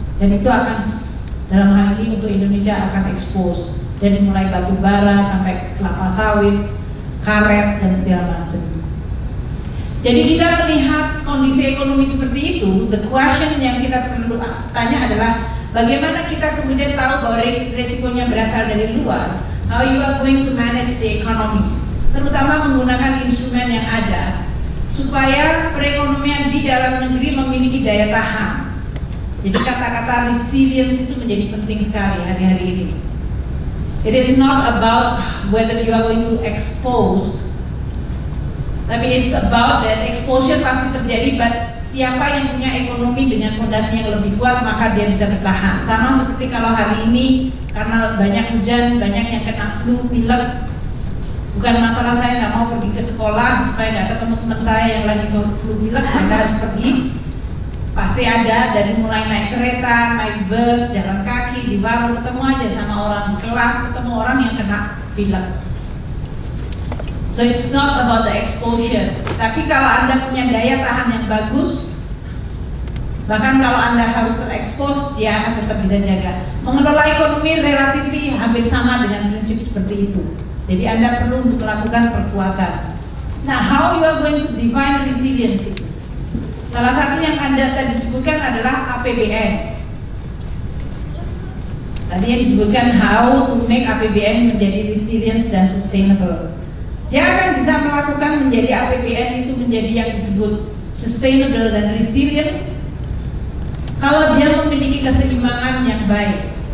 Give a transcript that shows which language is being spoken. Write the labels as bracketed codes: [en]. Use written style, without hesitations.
[id] Dan itu akan dalam hal ini untuk Indonesia akan expose dari mulai batu bara sampai kelapa sawit, karet dan segala macam. Jadi kita melihat kondisi ekonomi seperti itu, [en] the question [id] yang kita perlu tanya adalah bagaimana kita kemudian tahu bahwa resikonya berasal dari luar? [en] How you are going to manage the economy? [id] Terutama menggunakan instrumen yang ada supaya perekonomian di dalam negeri memiliki daya tahan. Jadi kata-kata resilience itu menjadi penting sekali hari-hari ini. [en] It is not about whether you are going to expose. [id] Tapi [en] it's about that exposure [id] pasti terjadi, [en] but [id] siapa yang punya ekonomi dengan fondasinya yang lebih kuat, maka dia bisa bertahan. Sama seperti kalau hari ini, karena banyak hujan, banyak yang kena flu, pilek. Bukan masalah saya gak mau pergi ke sekolah supaya gak ketemu teman saya yang lagi flu pilek, Anda harus pergi. Pasti ada, dari mulai naik kereta, naik bus, jalan kaki, di warung, ketemu aja sama orang kelas, ketemu orang yang kena pilek. [en] So it's not about the exposure. [id] Tapi kalau Anda punya daya tahan yang bagus, bahkan kalau Anda harus terekspos, dia akan tetap bisa jaga. Mengelola ekonomi relatif hampir sama dengan prinsip seperti itu. Jadi Anda perlu untuk melakukan perkuatan. [en] Nah, how you are going to define resiliency? [id] Salah satu yang Anda tadi sebutkan adalah APBN. Tadi yang disebutkan [en] how to make [id] APBN menjadi resilient dan sustainable. Dia akan bisa melakukan menjadi APBN itu menjadi yang disebut sustainable dan resilient kalau dia memiliki keseimbangan yang baik.